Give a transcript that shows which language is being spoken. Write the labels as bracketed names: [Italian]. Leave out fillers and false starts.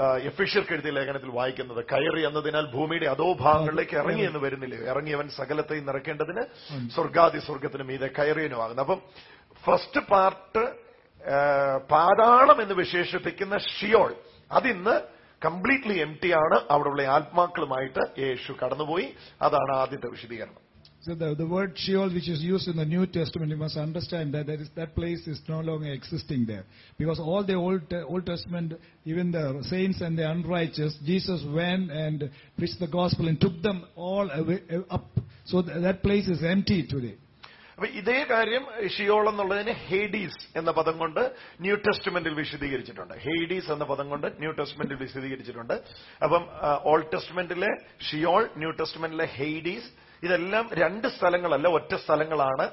[Malayalam] എഫിഷ്യർക്ക് എഴുതിയ ലേഖനത്തിൽ വായിക്കുന്നത്, കയറി എന്നതിനാൽ ഭൂമിയുടെ അതോ ഭാഗങ്ങളിലേക്ക് ഇറങ്ങി എന്ന് വരുന്നില്ലേ, ഇറങ്ങിയവൻ സകലത്തെയും നിറയ്ക്കേണ്ടതിന് സ്വർഗാദി സ്വർഗത്തിനും ഇതേ കയറിയനുമാകുന്നു. അപ്പം [English] first part [Malayalam] പാതാളം എന്ന് വിശേഷിപ്പിക്കുന്ന ഷിയോൾ, അതിന്ന് [English] completely empty [Malayalam] ആണ്. അവിടെയുള്ള ആത്മാക്കളുമായിട്ട് യേശു കടന്നുപോയി. അതാണ് ആദ്യത്തെ വിശദീകരണം. [English] So the word Sheol, which is used in the New Testament, you must understand that that place is no longer existing there, because all the Old Testament, even the saints and the unrighteous, Jesus went and preached the gospel and took them all away, up. So that place is empty today. [Malayalam] അപ്പൊ ഇതേ കാര്യം Sheol എന്നുള്ളതിന് Hades എന്ന പദം കൊണ്ട് new ടെസ്റ്റ്മെന്റിൽ വിശദീകരിച്ചിട്ടുണ്ട്. Hades എന്ന പദം കൊണ്ട് ന്യൂ ടെസ്റ്റ്മെന്റിൽ വിശദീകരിച്ചിട്ടുണ്ട്. അപ്പം ഓൾഡ് ടെസ്റ്റ്മെന്റിലെ ഷിയോൾ, ന്യൂ ടെസ്റ്റ്മെന്റിലെ ഹേഡീസ്, ഇതെല്ലാം രണ്ട് സ്ഥലങ്ങളല്ല, ഒറ്റ സ്ഥലങ്ങളാണ്.